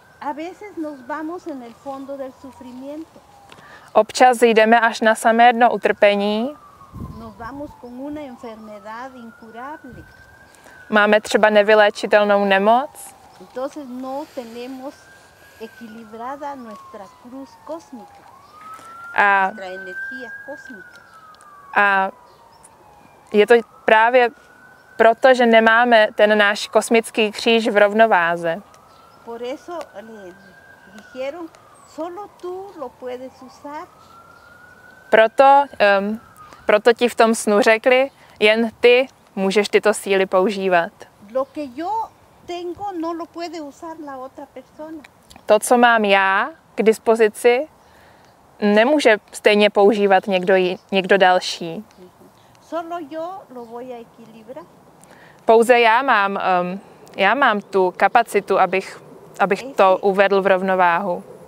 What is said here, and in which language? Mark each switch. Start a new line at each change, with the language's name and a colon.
Spanish: A veces nos vamos en el fondo del sufrimiento.
Czech: Občas jdeme až na samé dno utrpení.
Spanish: Nos vamos con una enfermedad incurable.
Czech: Máme třeba nevyléčitelnou nemoc.
Spanish: Entonces no tenemos equilibrada nuestra cruz cósmica. A nuestra energía cósmica.
Czech: A je to právě proto, že nemáme ten náš kosmický kříž v rovnováze.
Spanish: Por eso le dijeron, solo tú lo puedes usar.
Czech: Proto ti v tom snu řekli, jen ty můžeš tyto síly používat.
Spanish: Lo que yo tengo no lo puede usar la otra persona.
Czech: To, co mám já k dispozici, nemůže stejně používat někdo další.
Spanish: Solo yo lo voy a equilibrar.
Czech: Pouze já mám tu kapacitu, abych to uvedl v rovnováhu.